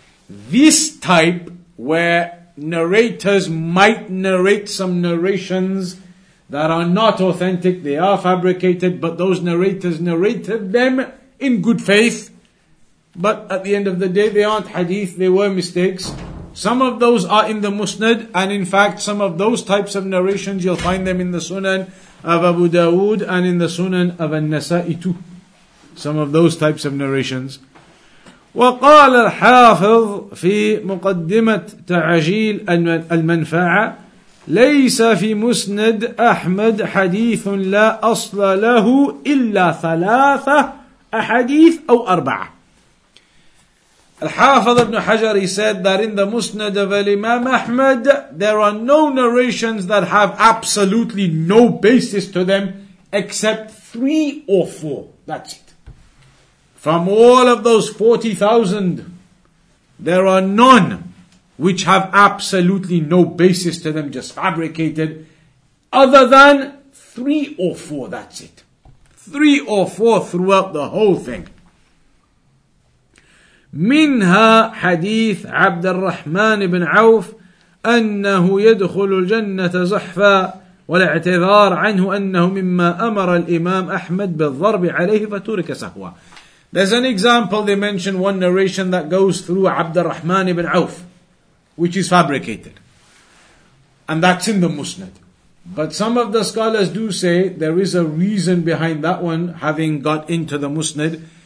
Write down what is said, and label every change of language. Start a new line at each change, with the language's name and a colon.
English: This type where narrators might narrate some narrations that are not authentic, they are fabricated, but those narrators narrated them in good faith. But at the end of the day, they aren't hadith, they were mistakes. Some of those are in the Musnad, and in fact, some of those types of narrations, you'll find them in the Sunan of Abu Dawood and in the Sunan of An-Nasa'i too. Some of those types of narrations.
Arabic: وقال الحافظ في مقدمة تعجيل المنفعة ليس في مسند أحمد حديث لا أصل له إلا ثلاثة أحاديث أو أربعة.
English: Al-Hafidh ibn Hajar, he said that in the Musnad of Imam Ahmad, there are no narrations that have absolutely no basis to them, except three or four. That's it. From all of those 40,000, there are none which have absolutely no basis to them, just fabricated, other than three or four. That's it. Three or four throughout the whole thing.
Arabic: منها حديث عبد الرحمن بن عوف أنه يدخل الجنة زحفا والاعتذار عنه أنه مما أمر الإمام أحمد بالضرب عليه فترك سهوا.
English: There's an example, they mention one narration that goes through عبد الرحمن بن عوف, which is fabricated, and that's in the Musnad. But some of the scholars do say there is a reason behind that one having got into the Musnad.